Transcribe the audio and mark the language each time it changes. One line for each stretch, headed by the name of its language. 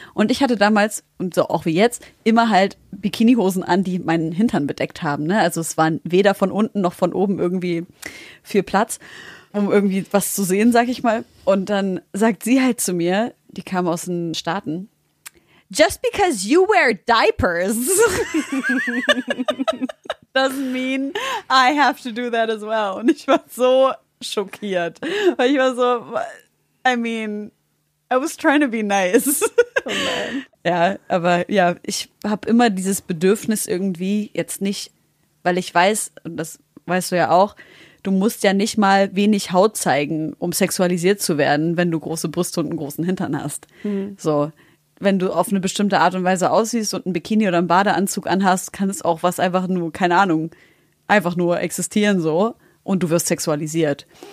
German: Und ich hatte damals, und so auch wie jetzt, immer halt Bikinihosen an, die meinen Hintern bedeckt haben, ne? Also es waren weder von unten noch von oben irgendwie viel Platz, um irgendwie was zu sehen, sag ich mal. Und dann sagt sie halt zu mir, die kam aus den Staaten,
English: just because you wear diapers. Doesn't mean I have to do that as well.
German: Und ich war so schockiert. Weil ich war so,
English: I mean, I was trying to be nice.
German: Oh man. Ja, aber ja, ich habe immer dieses Bedürfnis irgendwie, jetzt nicht, weil ich weiß, und das weißt du ja auch, du musst ja nicht mal wenig Haut zeigen, um sexualisiert zu werden, wenn du große Brüste und einen großen Hintern hast. Mhm. So. Wenn du auf eine bestimmte Art und Weise aussiehst und ein Bikini oder einen Badeanzug anhast, kann es auch was einfach nur, keine Ahnung, einfach nur existieren so und du wirst sexualisiert.